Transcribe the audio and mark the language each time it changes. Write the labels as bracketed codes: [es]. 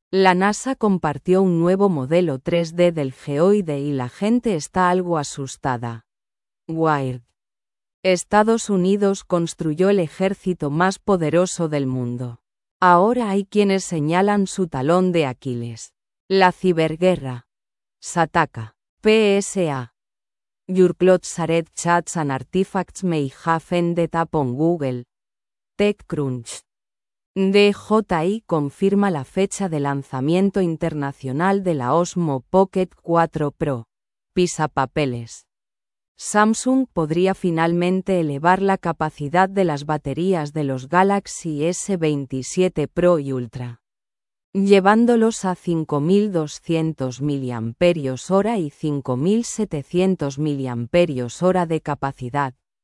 [es] La NASA compartió un nuevo modelo 3D del geoide y la gente está algo asustada. Wired. Estados Unidos construyó el ejército más poderoso del mundo. Ahora hay quienes señalan su talón de Aquiles. La ciberguerra. Sataka. PSA. [en] Your cloud shared chats and artifacts may have ended up on Google. TechCrunch. [es] DJI confirma la fecha de lanzamiento internacional de la Osmo Pocket 4 Pro. Pisa papeles. Samsung podría finalmente elevar la capacidad de las baterías de los Galaxy S27 Pro y Ultra, llevándolos a 5.200 mAh y 5.700 mAh de capacidad.